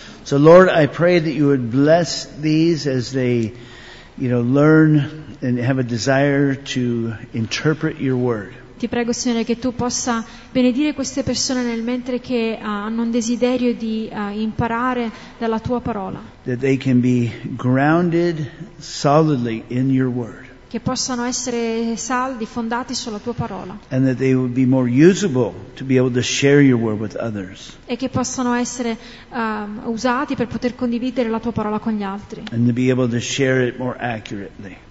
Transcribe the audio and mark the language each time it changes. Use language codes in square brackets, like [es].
[en] So Lord, I pray that you would bless these as they, you know, learn and have a desire to interpret your word. [it] Ti prego, Signore, che tu possa benedire queste persone nel mentre che hanno un desiderio di imparare dalla tua parola. [en] That they can be grounded solidly in your word. [it] Che possano essere saldi, fondati sulla tua parola. [en] And that they would be more usable to be able to share your word with others. [it] E che possano essere usati per poter condividere la tua parola con gli altri. [en] And to be able to share it more accurately.